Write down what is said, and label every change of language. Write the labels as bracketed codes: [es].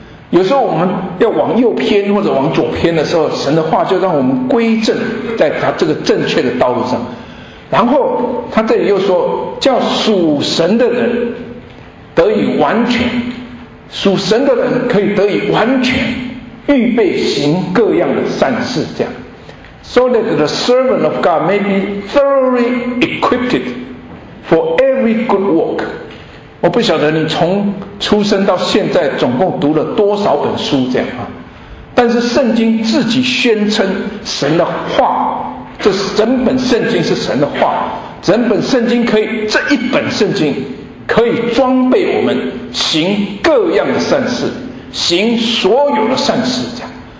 [zh] 有时候我们要往右偏或者往左偏的时候，神的话就让我们归正在他这个正确的道路上。然后他这里又说，叫属神的人得以完全，属神的人可以得以完全，预备行各样的善事，这样。 [en] So that the servant of God may be thoroughly equipped for every good work。 [zh] 我不晓得你从出生到现在总共读了多少本书，这样啊。但是圣经自己宣称神的话，这整本圣经是神的话，整本圣经可以，这一本圣经可以装备我们行各样的善事，行所有的善事，这样。